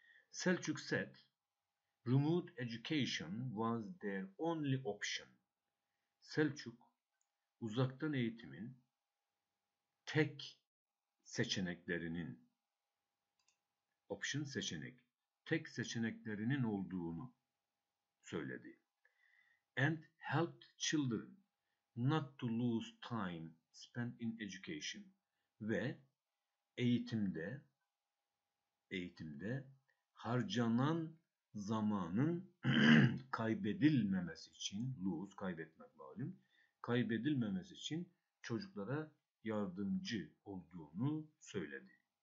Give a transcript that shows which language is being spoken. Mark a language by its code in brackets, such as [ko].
[en] Selçuk said, remote education was their only option. [tr] Selçuk, uzaktan eğitimin tek seçeneklerinin, option seçenek, tek seçeneklerinin olduğunu söyledi. [en] And helped children not to lose time spent in education. [tr] Ve eğitimde harcanan zamanın kaybedilmemesi için, lose kaybetmek malum, kaybedilmemesi için çocuklara yardımcı olduğunu söyledi.